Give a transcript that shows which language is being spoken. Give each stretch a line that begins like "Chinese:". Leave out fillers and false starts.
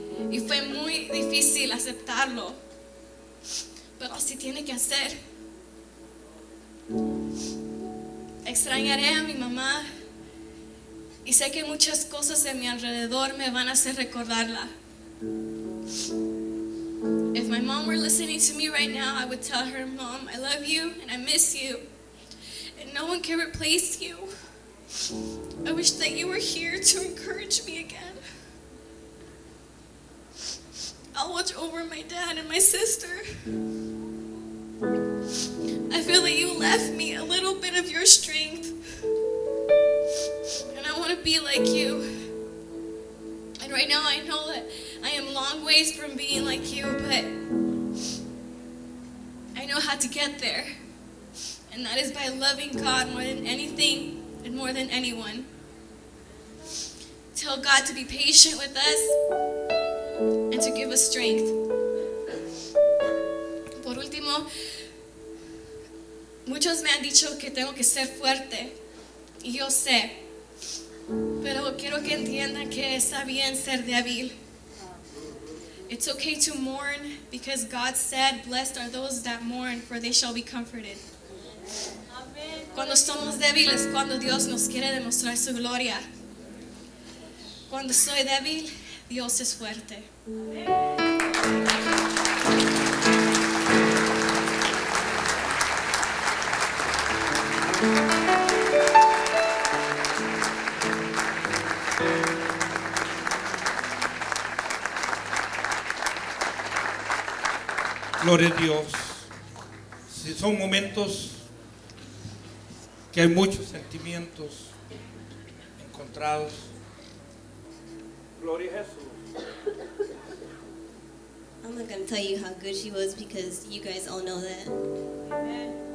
Spanish: Y fue muy difícil aceptarlo, pero así tiene que ser. Extrañaré a mi mamá y sé que muchas cosas en mi alrededor me van a hacer recordarla.
English: If my mom were listening to me right now, I would tell her, Mom, I love you and I miss you, and no one can replace you. I wish that you were here to encourage me again. I'll watch over my dad and my sister. I feel that you left me a little bit of your strength, and I want to be like you. And right now I know that I am long ways from being like you, but I know how to get there. And that is by loving God more than anything and more than anyone. Tell God to be patient with us and to give us strength.
Spanish: Por último, muchos me han dicho que tengo que ser fuerte, y yo sé, pero quiero que entiendan que está bien ser débil.
English: It's okay to mourn, because God said, blessed are those that mourn, for they shall be comforted.
Spanish: Cuando somos débiles, cuando Dios nos quiere demostrar su gloria. Cuando soy débil, Dios es fuerte. Gloria a Dios. Sí, son momentos que hay muchos sentimientos encontrados. Gloria a Jesús.
English: I'm not going to tell you how good she was, because you guys all know that. Amen.